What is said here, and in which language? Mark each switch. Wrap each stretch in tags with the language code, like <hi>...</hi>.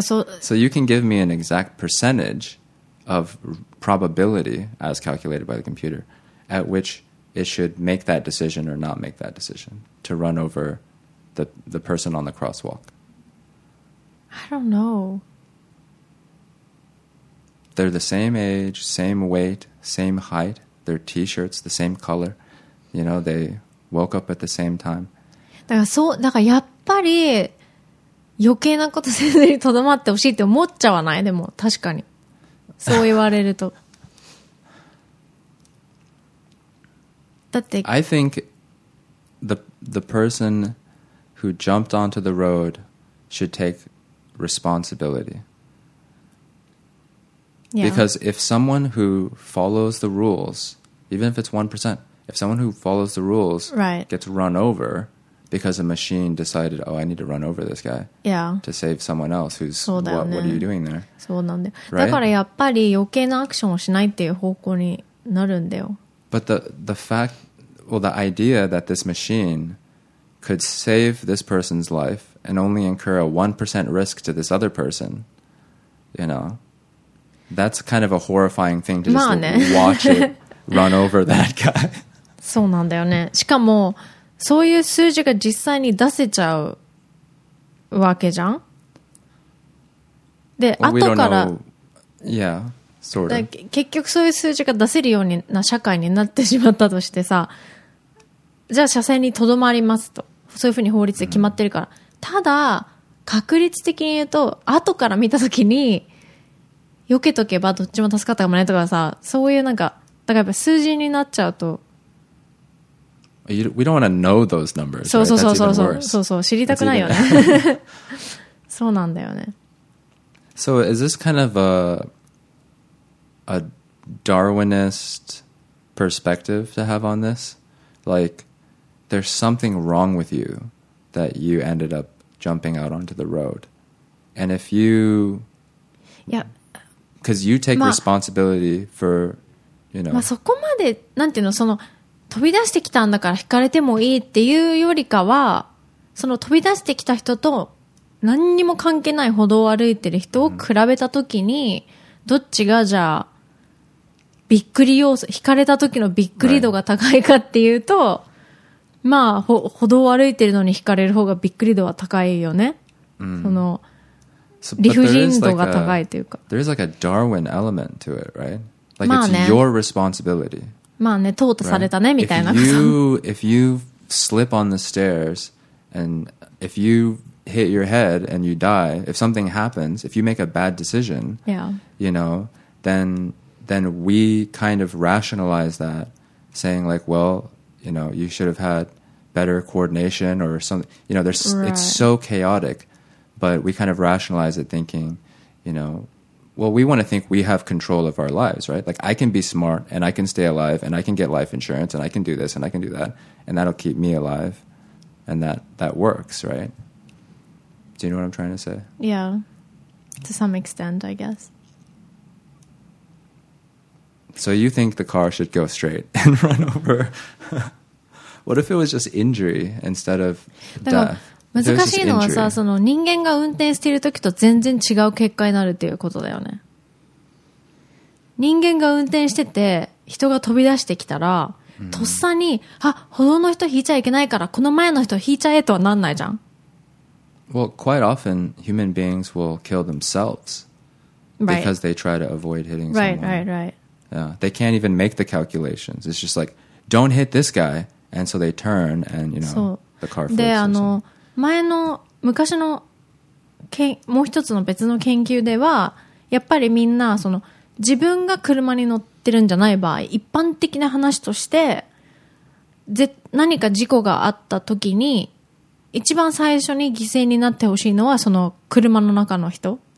<en>So you can give me an exact percentage of probability as calculated by the computer at which it should make that decision or not make that decision to run over the person on the crosswalk. I don't know. They're the same age, same weight, same height. Their t-shirts, the same color. You know, they... Woke up at the same time.</en> <ja>だからそう、だからやっぱり余計なことせずにとどまってほしいって思っちゃわない?でも確かに。そう言われると。だって。</ja> <en>I think the person who jumped onto the road should take responsibility. Yeah. Because if someone who follows the rules, even if it's 1%,If someone who follows the rules、 right. gets run over because a machine decided, oh, I need to run over this guy、 yeah. to save someone else who's,、</en> <ja>ね、</ja> <en>what are you doing there?</en> <ja>そうなんだよ、</ja> <en>right?</en> <ja>だからやっぱり余計なアクションをしないっていう方向になるんだよ。</ja> <en>But the fact, well, the idea that this machine could save this person's life and only incur a 1% risk to this other person, you know, that's kind of a horrifying thing to just、</en> <ja>まあね、</ja> <en>watch it. Run over that guy.</en> <ja>そうなんだよね。しかもそういう数字が実際に出せちゃうわけじゃん。で、</ja> <en>well,</en> <ja>後から、</ja> <en>yeah, sort of.</en> <ja>結局そういう数字が出せるような社会になってしまったとしてさ、じゃあ車線にとどまりますと、そういうふうに法律で決まってるから。 Mm-hmm. ただ確率的に言うと後から見たときに避けとけばどっちも助かったかもねとかさ、そういうなんか。だからやっぱ数字になっちゃうと、</ja> <en>We don't want to know those numbers.</en> <ja>そうそうそうそうそう、そうそう、知りたくないよね。そうなんだよね。</ja> <en>So is this kind of a Darwinist perspective to have on this? Like, there's something wrong with you that you ended up jumping out onto the road. And if you, yeah, because you take responsibility for you know.</en> <ja>まあそこまでなんていうのその飛び出してきたんだから引かれてもいいっていうよりかはその飛び出してきた人と何にも関係ない歩道を歩いてる人を比べた時に、うん、どっちがじゃあびっくり要素引かれた時のびっくり度が高いかっていうと、</ja> <en>right.</en> <ja>まあ歩道を歩いてるのに引かれる方がびっくり度は高いよね、うん、その理不尽度が高いというか</ja> <en>there is like a Darwin element to it, right? Like it's your responsibility</en> <ja>まあね淘汰されたね、</ja> <en>right?</en> <ja>みたいな</ja> <en>if you slip on the stairs and if you hit your head and you die if something happens if you make a bad decision、 yeah. you know then we kind of rationalize that saying like well you know you should have had better coordination or something you know there's、right. it's so chaotic but we kind of rationalize it thinking you know well we want to think we have control of our lives right like I can be smart and I can stay alive and I can get life insurance and I can do this and I can do that and that'll keep me alive and that works right do you know what I'm trying to say yeah to some extent I guess So you think the car should go straight and run over? What if it was just injury instead of death?</en> <ja>難しいのはさ、その人間が運転している時と全然違う結果になるっていうことだよね。人間が運転してて人が飛び出してきたら、とっさに、あ、歩道の人引いちゃいけないからこの前の人引いちゃえとはなんないじゃん。</ja> <en>Well, quite often human beings will kill themselves because they try to avoid hitting someone. Right. Yeah, they can't even make the calculations. It's just like, don't hit this guy. And so they turn and, you know, the car flips.</en> <ja>で、あの、前の、昔の、もう一つの別の研究では、やっぱりみんな、その、自分が車に乗ってるんじゃない場合、一般的な話として、何か事故があった時に、一番最初に犠牲になってほしいのは、その、車の中の人。</ja>